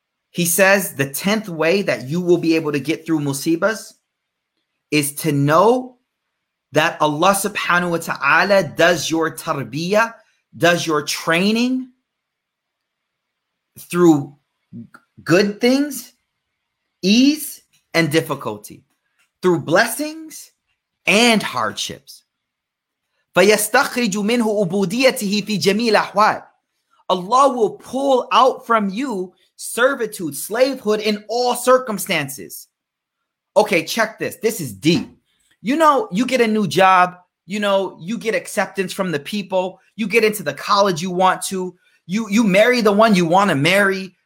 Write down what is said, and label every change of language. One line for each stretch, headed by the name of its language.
English: He says the 10th way that you will be able to get through musibas is to know that Allah subhanahu wa ta'ala does your tarbiyah, does your training through good things, ease and difficulty, through blessings and hardships.
Arabic: فَيَسْتَخْرِجُ مِنْهُ أُبُودِيَتِهِ فِي جَمِيلَ أَحْوَالِ.
English: Allah will pull out from you servitude, slavehood in all circumstances. Okay, check this. This is deep. You know, you get a new job. You know, you get acceptance from the people. You get into the college you want to. You marry the one you want to marry.